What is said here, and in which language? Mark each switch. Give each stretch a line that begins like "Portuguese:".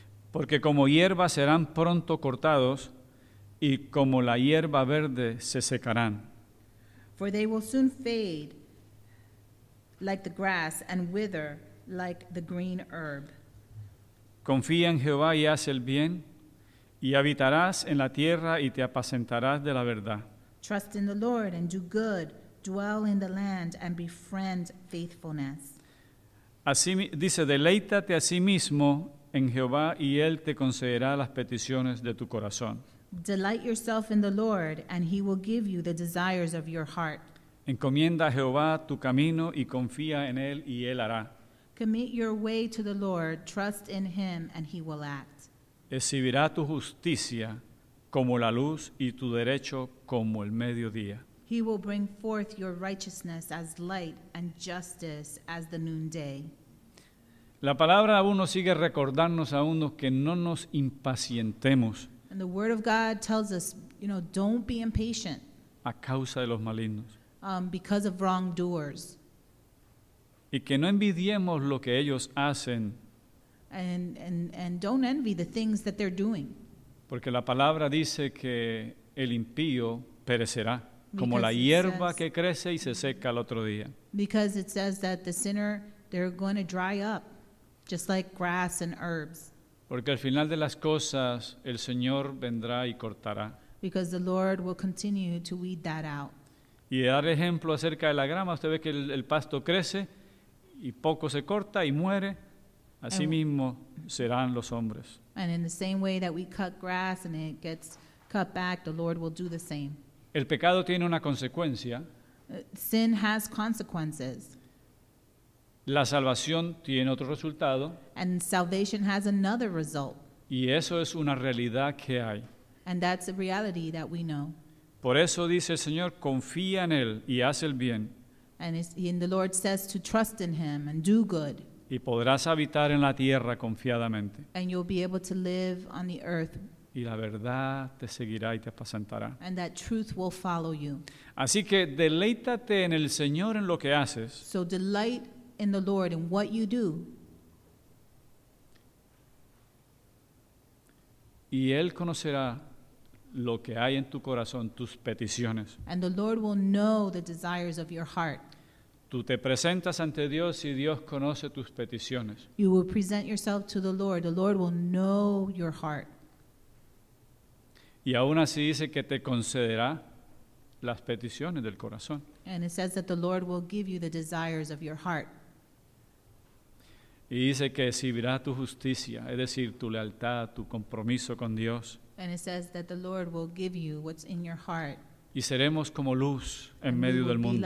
Spanish: Porque como hierba serán pronto cortados, y como la hierba verde se secarán.
English: For they will soon fade like the grass and wither like the green herb.
Spanish: Confía en Jehová y haz el bien, y habitarás en la tierra y te apacentarás de la verdad.
English: Trust in the Lord and do good. Dwell in the land and befriend faithfulness.
Spanish: Así dice, deleítate a sí mismo en Jehová y Él te concederá las peticiones de tu corazón.
English: Delight yourself in the Lord and He will give you the desires of your heart.
Spanish: Encomienda a Jehová tu camino y confía en Él y Él hará.
English: Commit your way to the Lord, trust in Him and He will act.
Spanish: Exhibirá tu justicia como la luz y tu derecho como el mediodía.
English: He will bring forth your righteousness as light and justice as the noonday.
Spanish: La palabra aún nos sigue recordándonos a unos que no nos impacientemos.
English: And the word of God tells us, you know, don't be impatient.
Spanish: A causa de los malignos.
English: Because of wrongdoers.
Spanish: Y que no envidiemos lo que ellos hacen.
English: And don't envy the things that they're doing.
Spanish: Porque la palabra dice que el impío perecerá. Como la hierba que crece y se seca al otro día.
English: Because it says that the sinner, they're going to dry up, just like grass and herbs.
Spanish: Porque al final de las cosas, el Señor vendrá y cortará.
English: Because the Lord will continue to weed that out.
Spanish: Y dar ejemplo acerca de la grama, usted ve que el pasto crece y poco se corta y muere. Así mismo serán los hombres.
English: And in the same way that we cut grass and it gets cut back, the Lord will do the same.
Spanish: El pecado tiene una consecuencia.
English: Sin has consequences.
Spanish: La salvación tiene otro resultado.
English: And salvation has another result.
Spanish: Y eso es una realidad que hay.
English: And that's a reality that we know.
Spanish: Por eso dice el Señor, confía en Él y haz el bien.
English: And the Lord says to trust in Him and do good.
Spanish: Y podrás habitar en la tierra confiadamente.
English: And you'll be able to live on the earth.
Spanish: Y la verdad te seguirá y te apacentará.
English: And that truth will follow you.
Spanish: Así que deleítate en el Señor en lo que haces.
English: So delight in the Lord in what you do.
Spanish: Y él conocerá lo que hay en tu corazón, tus peticiones.
English: And the Lord will know the desires of your heart.
Spanish: Tú te presentas ante Dios y Dios conoce tus peticiones.
English: You will present yourself to the Lord. The Lord will know your heart.
Spanish: Y aún así dice que te concederá las peticiones del corazón.
English: And it says that the Lord will give you the desires of your heart.
Spanish: Y dice que recibirá tu justicia, es decir, tu lealtad, tu compromiso con Dios.
English: And it says that the Lord will give you what's in your heart.
Spanish: Y seremos como luz en medio del mundo.